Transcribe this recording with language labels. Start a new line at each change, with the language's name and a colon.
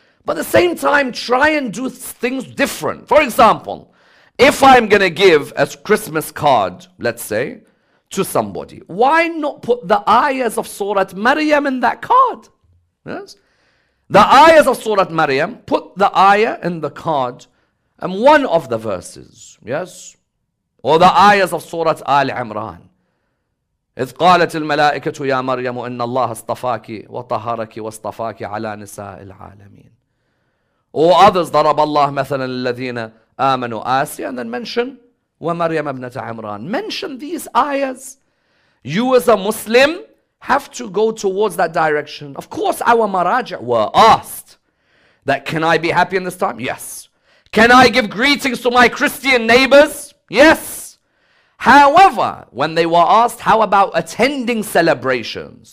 English: But at the same time, try and do things different. For example, if I'm going to give a Christmas card, let's say, to somebody, why not put the ayahs of Surah Maryam in that card? Yes, the ayahs of Surah Maryam, put the ayah in the card and one of the verses, yes, or the ayahs of Surah Ali Imran.
Arabic: إذ قالت الملائكة يا مريم إن الله اصطفاك وطهرك واصطفاك على نساء العالمين.
English: Or others,
Arabic: ضرب الله مثلا الذين آمنوا آسيا,
English: and then mention
Arabic: ومريم ابنة عمران.
English: Mention these ayahs. You as a Muslim have to go towards that direction. Of course, our maraja were asked that, can I be happy in this time? Yes. Can I give greetings to my Christian neighbors? Yes. However, when they were asked, how about attending celebrations?